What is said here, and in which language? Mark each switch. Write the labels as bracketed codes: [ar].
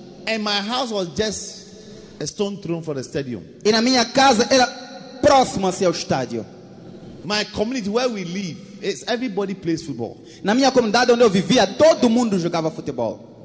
[en] And my house was just a stone thrown from the stadium. [pt] E na minha casa era próxima ao estádio. [en] My community where we live, it's everybody plays football. [pt] Na minha comunidade onde eu vivia, todo mundo jogava futebol.